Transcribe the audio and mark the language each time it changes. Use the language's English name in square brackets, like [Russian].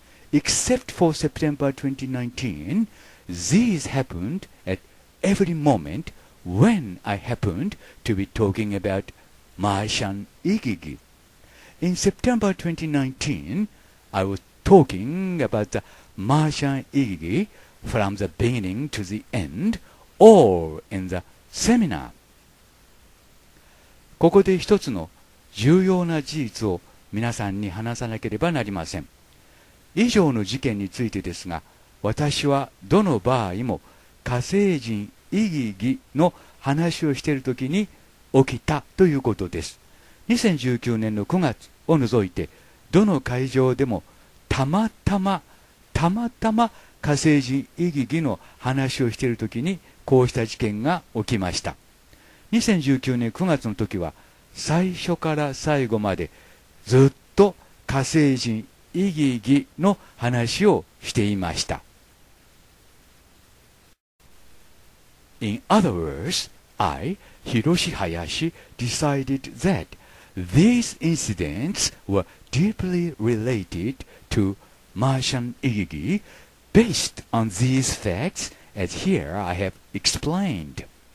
[English] Except for September 2019,These happened at every moment when I happened to be talking about Martian Igiki. In September 2019, I was talking about the Martian Igiki from the beginning to the end or in the seminar. [Japanese] ここで一つの重要な事実を皆さんに話さなければなりません。以上の事件についてですが、私はどの場合も火星人イギギの話をしているときに起きたということです。 2019年の9月を除いてどの会場でもたまたま火星人イギギの話をしているときにこうした事件が起きました。 2019年9月のときは最初から最後までずっと火星人イギギの話をしていました。 [English] In other words, I, Hiroshi Hayashi, decided that these incidents were deeply related to Martian Igiki based on these facts as here I have explained.